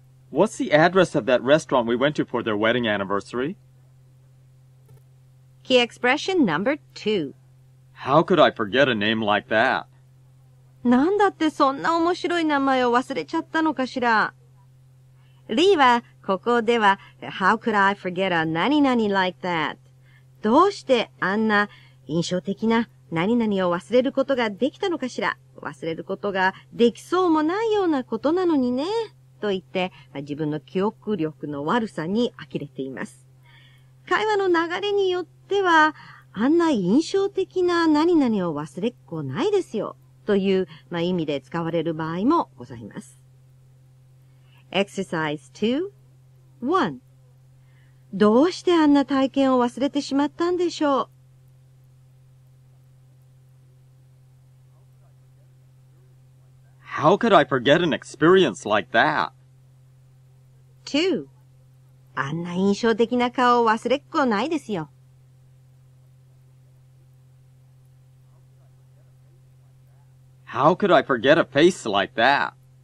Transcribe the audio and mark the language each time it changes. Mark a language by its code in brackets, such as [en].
[en] What's the address of that restaurant we went to for their wedding anniversary? Key expression number 2. How could I forget a name like that? [ja] なんだってそんな面白い名前を忘れちゃったのかしら。リーはここでは [en] How could I forget a [ja] 何々 [en] like that? [ja] どうしてあんな印象的な何々を忘れることができたのかしら。忘れることができそうもないようなことなのにね。と言って、まあ、自分の記憶力の悪さに呆れています。会話の流れによってはあんな印象的な何々を忘れっこないですよ。という、まあ、意味で使われる場合もございます。 [en] Exercise 2.1. [ja] どうしてあんな体験を忘れてしまったんでしょう? [en] How could I forget an experience like that? 2. [ja] あんな印象的な顔を忘れっこないですよ。 [en] How could I forget a face like that?